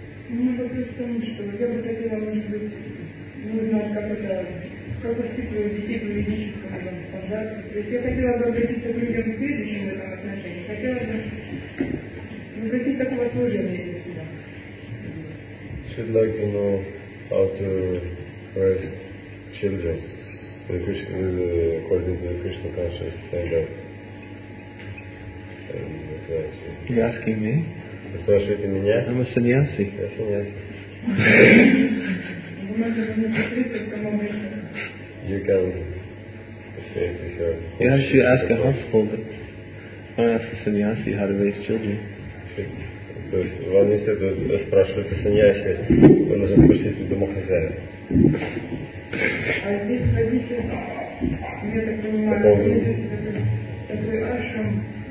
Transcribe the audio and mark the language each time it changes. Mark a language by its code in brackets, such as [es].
[ru] У меня вопрос в том, что я бы хотела, может быть, не знаю, как это, как воспитывать детей в религиозных стандартах. То есть я хотела бы обратиться к людям в следующем этом отношении. Хотела бы выразить такого сложного для себя. [en] She'd like to know how to raise children according to the Krishna conscious standard. You're asking me? [ru] Вы спрашиваете меня? [en] I'm a sannyasi. [ru] Я sannyasi. [en] You can say it to her. You have to ask a householder. Don't ask a sannyasi how to raise children. [ru] То есть вам не следует спрашивать о sannyasi, вы должны спросить у домохозяина. А здесь родитель, я так понимаю, родитель, такой ашрам,